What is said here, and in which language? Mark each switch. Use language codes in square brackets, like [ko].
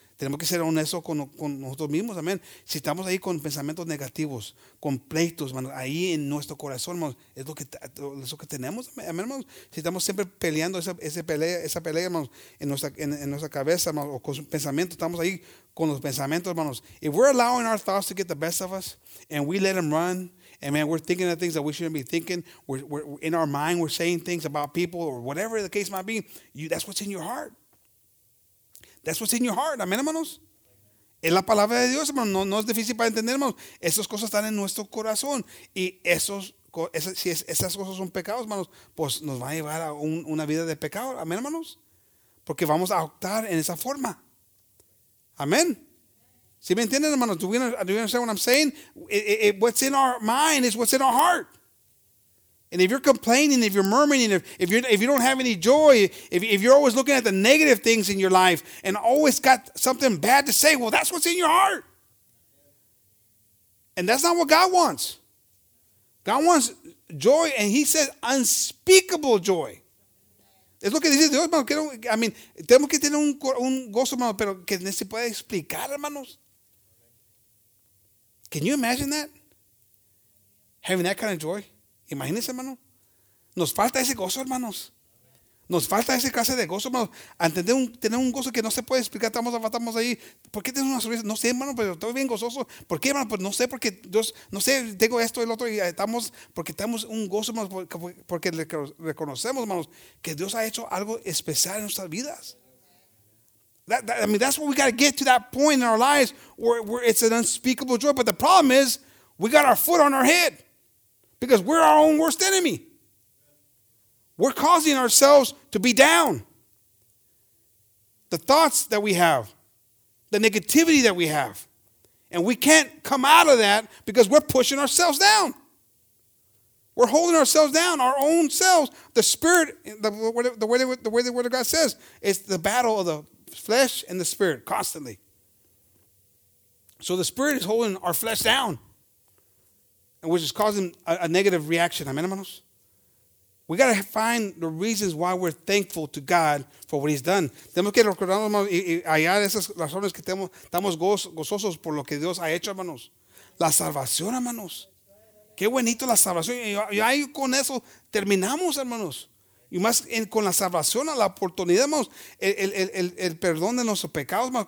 [es] Tenemos que ser honestos con nosotros mismos, amén. Si estamos ahí con pensamientos negativos, con pleitos, hermanos, ahí en nuestro corazón, hermanos, es lo que tenemos, amén, hermanos. Si estamos siempre peleando esa pelea, hermanos, en nuestra cabeza, hermanos, o con pensamientos, estamos ahí con los pensamientos, hermanos. [en] If we're allowing our thoughts to get the best of us, and we let them run, and man, we're thinking of things that we shouldn't be thinking, we're in our mind, we're saying things about people, or whatever the case might be, that's what's in your heart. That's what's in your heart. [es] Amén, hermanos. Es la palabra de Dios, hermanos. No es difícil para entender, hermanos. Esas cosas están en nuestro corazón. Y esas cosas son pecados, hermanos, pues nos va a llevar a una vida de pecado. Amén, hermanos. Porque vamos a actuar en esa forma. Amén. ¿Sí me entienden, hermanos? [en] Do you understand what I'm saying? What's in our mind is what's in our heart. And if you're complaining, if you're murmuring, if you don't have any joy, if you're always looking at the negative things in your life and always got something bad to say, well, that's what's in your heart. And that's not what God wants. God wants joy, and he says unspeakable joy. [es] Es lo que dice Dios, hermano. Tenemos que tener un gozo, hermano, pero que no se puede explicar, hermanos. [en] Can you imagine that? Having that kind of joy? [es] Imagínense, hermano. Nos falta ese gozo, hermanos. Nos falta ese clase de gozo, hermano. Entender tener un gozo que no se puede explicar. Estamos ahí. ¿Por qué tienes una sonrisa? No sé, hermano, pero estoy bien gozoso. ¿Por qué, hermano? Pues no sé, porque Dios, no sé, tengo esto, el otro, y estamos, porque tenemos un gozo, hermano, porque reconocemos, hermanos, que Dios ha hecho algo especial en nuestras vidas. [en] That's what we got to get to that point in our lives where it's an unspeakable joy. But the problem is, we got our foot on our head. Because we're our own worst enemy. We're causing ourselves to be down. The thoughts that we have. The negativity that we have. And we can't come out of that because we're pushing ourselves down. We're holding ourselves down, our own selves. The spirit, the way the word of God says, it's the battle of the flesh and the spirit constantly. So the spirit is holding our flesh down, which is causing a negative reaction. Amen, hermanos? We got to find the reasons why we're thankful to God for what he's done. [es] Tenemos que recordarnos, hermanos, y allá de esas razones que estamos gozosos por lo que Dios ha hecho, hermanos. La salvación, hermanos. Qué bonito la salvación. Y ahí con eso terminamos, hermanos. Y más con la salvación, la oportunidad, hermanos, el perdón de nuestros pecados, hermanos.